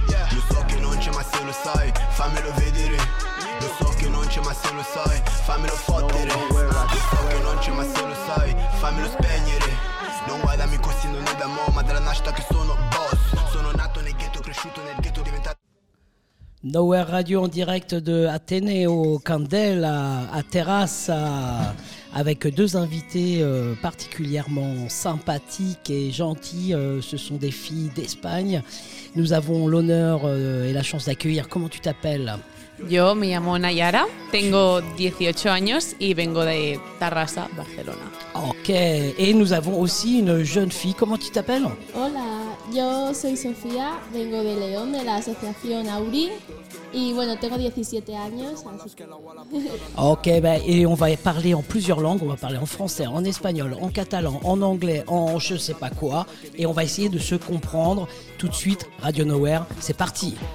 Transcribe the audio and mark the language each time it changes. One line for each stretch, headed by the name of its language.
Italian: Lo so che non c'è, ma se lo sai, fammelo vedere. Lo so che non c'è, ma se lo sai, fammelo fottere. Lo so che non c'è, ma se lo sai, fammelo spegnere. Non guardami così, non è da mo, ma dalla nascita che sono boss. Sono nato nel ghetto, cresciuto nel ghetto, diventato.
French: Nowhere Radio en direct de Ateneo Candel à Terrasse avec deux invités particulièrement sympathiques et gentils. Ce sont des filles d'Espagne. Nous avons l'honneur et la chance d'accueillir. Comment tu t'appelles?
Spanish: Yo me llamo Nayara, tengo 18 años y vengo de Terrassa, Barcelona.
French: Ok, et nous avons aussi une jeune fille, comment tu t'appelles?
Spanish: Hola, yo soy Sofía, vengo de León, de la asociación Auri, y bueno, tengo 17 años. Así que...
French: Ok, bah, et on va parler en plusieurs langues, on va parler en français, en espagnol, en catalan, en anglais, en je sais pas quoi, et on va essayer de se comprendre tout de suite. Radio Nowhere, c'est parti!